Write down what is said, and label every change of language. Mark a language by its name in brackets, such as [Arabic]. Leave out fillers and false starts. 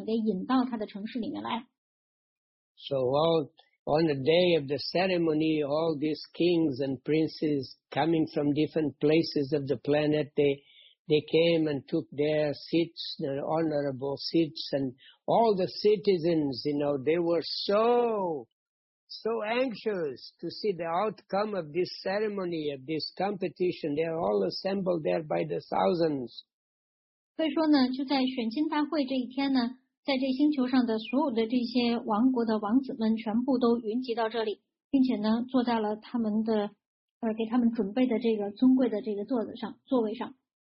[Chinese] 所以呢，他就希望心存着这样的希望，Arjuna和他的兄弟们并没有在这场大火中丧生。而且呢，当他的女儿要出嫁的这个消息传出去之后呢，会把Arjuna和他的兄弟们给引到他的城市里面来。 [English] So on the day of the ceremony, all these kings and princes coming from different places of the planet, they came and took their seats, their honorable seats, and all the citizens, you know, they were so anxious to see the outcome of this ceremony, of this competition. They are all assembled there by the thousands. [Chinese] 所以说呢，就在选亲大会这一天呢，在这星球上的所有的这些王国的王子们全部都云集到这里，并且呢，坐在了他们的给他们准备的这个尊贵的这个座子上，座位上。